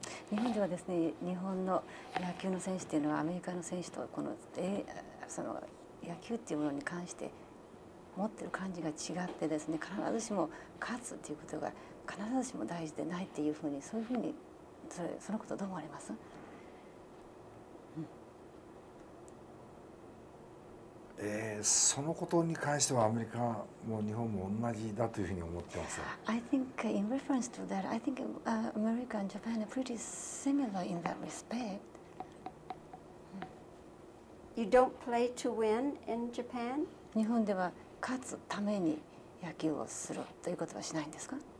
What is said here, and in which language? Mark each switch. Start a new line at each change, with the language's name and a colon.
Japanese: 日本ではですね、日本の野球の選手というのはアメリカの選手とこの、その野球っていうものに関して持ってる感じが違ってですね、必ずしも勝つということが必ずしも大事でないっていうふうに、そういうふうに、そのことどう思われます？うん、そのことに関してはアメリカも日本も同じだというふうに思ってます。
English: I think in reference to that, I think America and Japan are pretty similar in that respect. You don't play to win in Japan?
Japanese: 日本では勝つために野球をするということはしないんですか？